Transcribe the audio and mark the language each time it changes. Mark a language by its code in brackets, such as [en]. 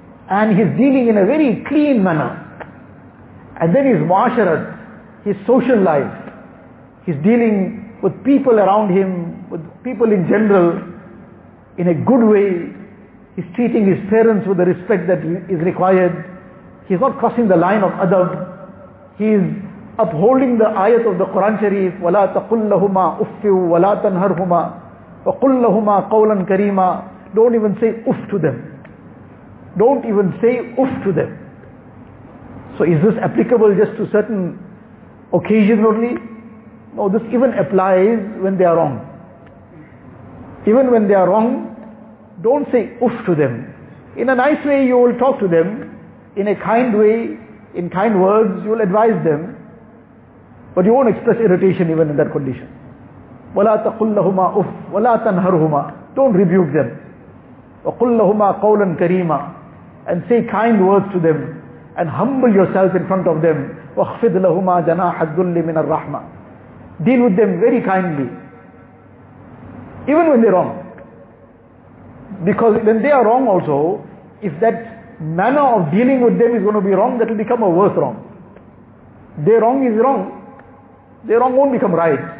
[en] And he's dealing in a very clean manner. And then his muasharat, his social life, he's dealing with people around him, with people in general, in a good way. He's treating his parents with the respect that is required. He's not crossing the line of adab. He's upholding the ayat of the Quran Sharif, [ar] وَلَا تَقُلْ لَهُمَا أُفِّوا وَلَا تَنْهَرْهُمَا وَقُلْ لَهُمَا قَوْلًا كَرِيمًا. [en] Don't even say uff to them. Don't even say uff to them. So is this applicable just to certain occasions only? No, this even applies when they are wrong. Even when they are wrong, don't say uff to them. In a nice way you will talk to them, in a kind way, in kind words, you will advise them, but you won't express irritation even in that condition. [ar] وَلَا تَقُلْ لَهُمَا uff, وَلَا تَنْهَرْهُمَا. [en] Don't rebuke them. [ar] وَقُلْ لَهُمَا قَوْلًا كَرِيمًا. [en] And say kind words to them and humble yourself in front of them. [ar] وَخْفِدْ لَهُمَا جَنَاحَ الذُّلِّ مِنَ الرَّحْمَةِ. [en] Deal with them very kindly. Even when they're wrong. Because when they are wrong also, if that manner of dealing with them is going to be wrong, that will become a worse wrong. Their wrong is wrong. Their wrong won't become right.